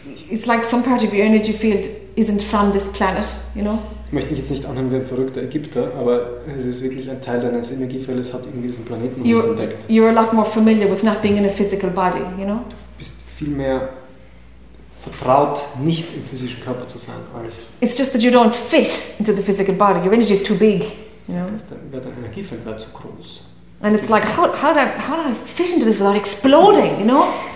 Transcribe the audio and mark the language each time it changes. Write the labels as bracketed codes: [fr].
[en] It's like some part of your energy field isn't from this planet, you know? [de] Ich möchte mich jetzt nicht anhören wie ein verrückter Ägypter, aber es ist wirklich ein Teil deines Energiefeldes, hat irgendwie diesen Planeten noch nicht entdeckt. [en] You're a lot more familiar with not being in a physical body, you know? [de] Du bist viel mehr vertraut, nicht im physischen Körper zu sein, als... [en] It's just that you don't fit into the physical body. Your energy is too big, you know? [de] Das heißt, dein Energiefeld wäre zu groß. [en] And it's like, how do I fit into this without exploding, you know?